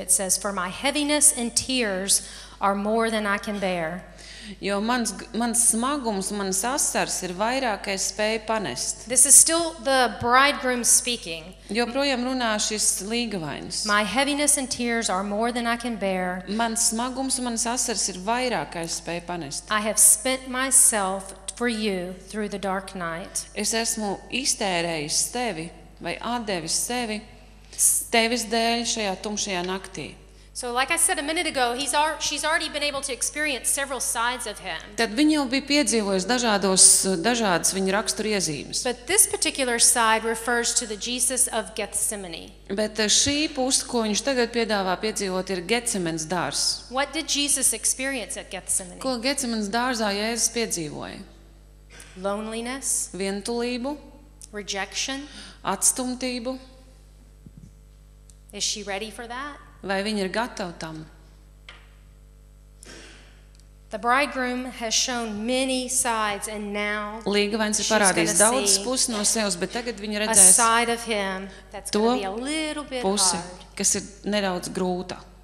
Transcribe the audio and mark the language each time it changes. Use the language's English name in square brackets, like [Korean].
[English] It says, "For my heaviness and tears are more than I can bear." [Latvian] Jo mans smagums, mans asars ir vairāk, ka es spēju panest. [English] This is still the bridegroom speaking. [Latvian] Joprojām runā šis līgavainis. [English] My heaviness and tears are more than I can bear. [Latvian] Mans smagums, mans asars ir vairāk, ka es spēju panest. [English] I have spent myself for you through the dark night. [Latvian] Es esmu iztērējis tevi vai atdevis sevi tevis dēļ šajā tumšajā naktī. [English] So like I said a minute ago, she's already been able to experience several sides of him. [Latvian] Tad viņa jau bija piedzīvojusi dažādas viņa rakstura iezīmes. [English] But this particular side refers to the Jesus of Gethsemane. [Latvian] Bet šī puse, ko viņš tagad piedāvā piedzīvot, ir Getsemanes dārzs. [English] What did Jesus experience at Gethsemane? [Latvian] Ko Getsemanes dārzā Jēzus piedzīvoja? [English] Loneliness. [Latvian] Vientulību. [English] Rejection. [Latvian] Atstumtību. [English] Is she ready for that? [Latvian] Vai viņa ir gatava tam? [English] The bridegroom has shown many sides and now [Latvian] Līgavainis ir parādījis daudz puses no sevis, bet tagad viņa redzēs [English] a side of him that's going to be a little bit hard. [Latvian] Pusi, kas ir nedaudz grūta.